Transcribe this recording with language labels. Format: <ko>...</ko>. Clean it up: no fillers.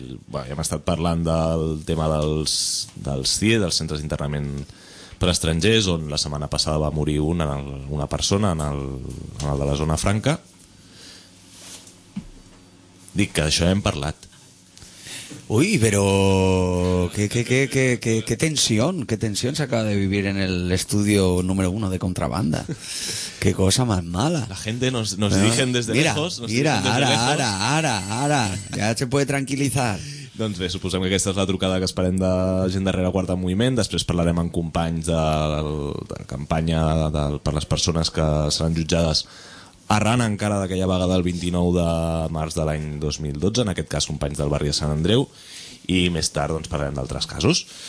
<ca>Bé, hem estat parlant del tema dels CIE, dels centres d'internament per estrangers, on la setmana passada va morir una persona en el de la Zona Franca. Dic que d'això hem parlat.</ca> <es>Uy, pero qué tensión, qué tensión se acaba de vivir en el estudio número uno de Contrabanda. Qué cosa más mala. La gente nos dirigen desde mira, lejos. Nos mira, ara, ya se puede tranquilizar.</es> <ca>Doncs bé, suposem que aquesta és la trucada que esperem de gent de Reraguarda Moviment. Després parlarem amb companys de la campanya per les persones que seran jutjades arran encara d'aquella vaga del 29 de març de l'any 2012, en aquest cas companys del barri de Sant Andreu, i més tard doncs parlarem d'altres casos.</ca>